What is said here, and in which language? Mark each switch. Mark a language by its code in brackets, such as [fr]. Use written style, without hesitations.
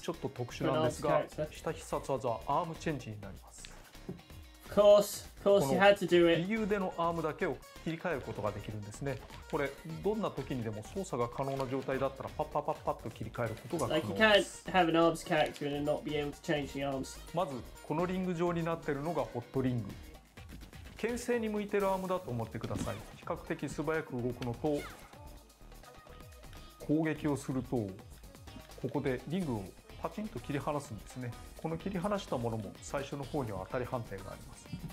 [ja] ちょっと特殊なんですが、下必殺技はアームチェンジになります。 [en] Of course you had to do it. [ja] この右腕のアームだけを切り替えることができるんですね。これどんな時にでも操作が可能な状態だったらパッパッパッパッと切り替えることが可能です。 [en] Like you can't have an arms character and not be able to change the arms. [ja] まずこのリング状になっているのがホットリング、牽制に向いてるアームだと思ってください。比較的素早く動くのと、攻撃をするとここでリングをパチンと切り離すんですね。この切り離したものも最初の方には当たり判定があります。